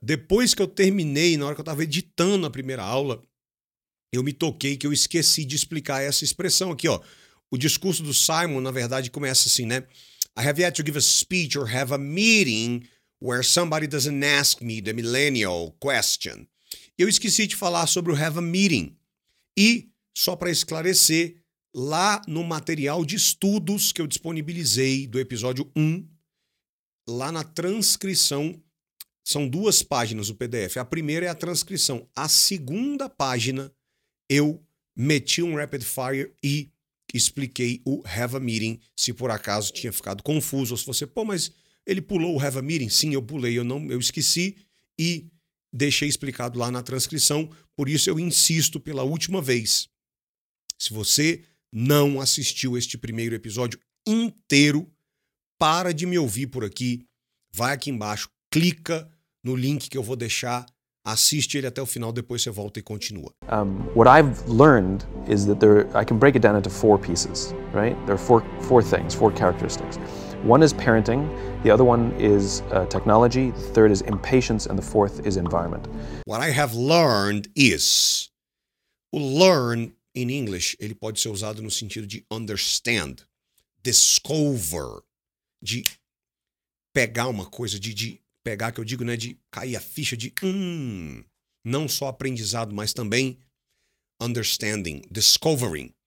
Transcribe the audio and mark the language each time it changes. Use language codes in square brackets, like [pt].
[pt] Depois que eu terminei, na hora que eu estava editando a primeira aula, eu me toquei que eu esqueci de explicar essa expressão aqui, ó. O discurso do Simon, na verdade, começa assim, né? [en] I have yet to give a speech or have a meeting where somebody doesn't ask me the millennial question. [pt] Eu esqueci de falar sobre o [en] have a meeting. [pt] E, só para esclarecer, lá no material de estudos que eu disponibilizei do episódio 1, lá na transcrição, são duas páginas o PDF. A primeira é a transcrição. A segunda página, eu meti um rapid fire e expliquei o [en] have a meeting, [pt] se por acaso tinha ficado confuso, ou se você, pô, mas ele pulou o have a meeting? Sim, eu pulei, eu esqueci e deixei explicado lá na transcrição, por isso eu insisto pela última vez. Se você não assistiu este primeiro episódio inteiro, para de me ouvir por aqui, vai aqui embaixo, clica no link que eu vou deixar, assiste ele até o final, depois você volta e continua. [en] What I've learned is that I can break it down into four pieces, right? There are four things, four characteristics. One is parenting, the other one is technology, the third is impatience, and the fourth is environment. What I have learned is... [pt] O learn, [en] in English, [pt] ele pode ser usado no sentido de understand, discover, de pegar uma coisa, de pegar, que eu digo, né, de cair a ficha de, não só aprendizado, mas também understanding, discovering.